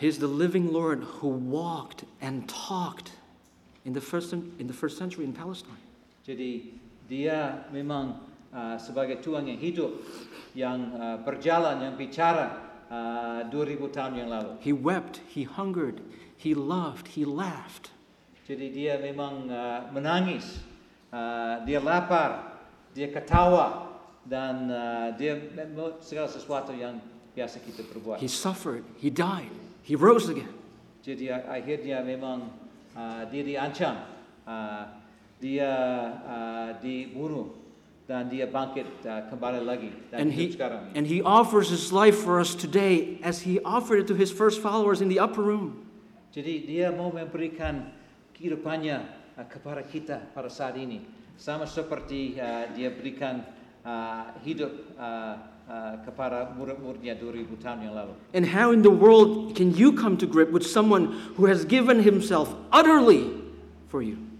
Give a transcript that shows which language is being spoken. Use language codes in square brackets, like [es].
[en] He's the living Lord who walked and talked in the first century in Palestine. [id] Jadi dia memang sebagai Tuhan yang hidup, yang berjalan, yang bicara 2000 tahun yang lalu. [en] He wept, he hungered, he loved, he laughed. [id] Jadi dia memang menangis, dia lapar, dia ketawa, dan dia segala sesuatu yang biasa kita perbuat. [en] He suffered, he died, he rose again. [id] Jadi akhirnya memang dia diancam, dia dibunuh, dan dia bangkit kembali lagi. [en] And he offers his life for us today as he offered it to his first followers in the upper room. [id] Jadi dia mau memberikan kehidupannya kepada kita pada saat ini, sama seperti dia berikan hidup kepada murid-muridnya 2000 tahun yang lalu. [en] And how in the world can you come to grip with someone who has given himself utterly for you?